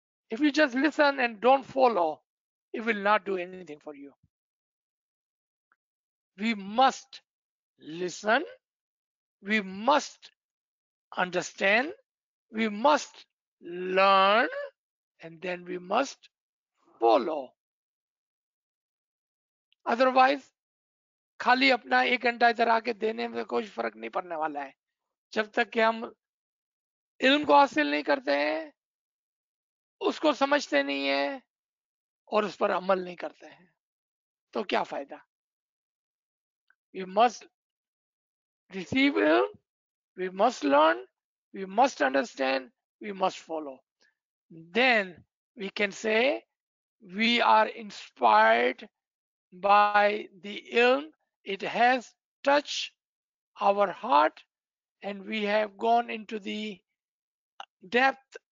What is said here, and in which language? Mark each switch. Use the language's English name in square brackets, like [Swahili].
[English] If you just listen and don't follow, it will not do anything for you. We must listen, we must understand, we must learn, and then we must follow. [Hindi] Otherwise, खाली अपना एक घंटा इधर आके देने में कुछ फर्क नहीं पड़ने वाला है जब तक कि हम इल्म को हासिल नहीं करते हैं, उसको समझते नहीं है और उस पर अमल नहीं करते हैं, तो क्या फायदा? [English] We must receive ilm, we must learn, we must understand, we must follow. Then we can say we are inspired by the ilm, it has touched our heart and we have gone into the depth